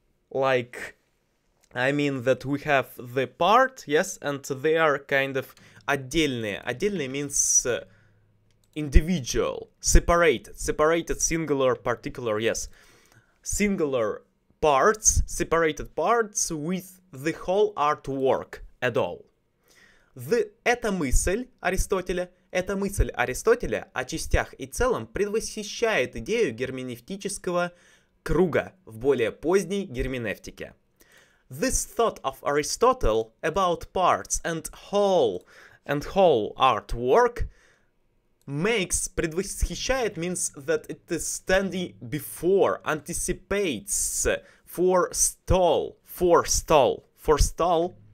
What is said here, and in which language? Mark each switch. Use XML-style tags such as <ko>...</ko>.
<en>Like, I mean that we have the part, yes, and they are kind of отдельные. Отдельные means individual, separated, singular, particular, yes. Singular parts, separated parts with the whole artwork at all.</en> <ru>Эта мысль Аристотеля о частях и целом предвосхищает идею герменевтического круга в более поздней герменевтике.</ru> <en>This thought of Aristotle about parts and whole artwork предвосхищает means that it is standing before, anticipates, forestall.</en>